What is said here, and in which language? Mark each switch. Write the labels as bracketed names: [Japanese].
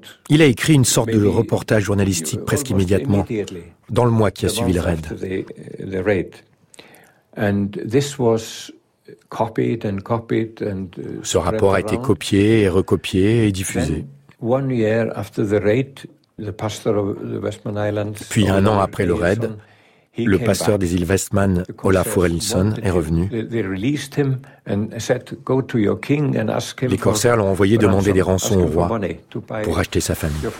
[French] Il a écrit une sorte de reportage journalistique presque immédiatement, dans le mois qui a suivi le raid. [English] And this was copied and copied and [French] ce rapport a été copié et recopié et diffusé. [English] One year after the raid, the pastor of the Westman Islands, [French] puis un an après le raid, le pasteur des îles Westman, Olaf Urelinson, est revenu. Les corsaires l'ont envoyé demander des rançons au roi pour acheter sa famille.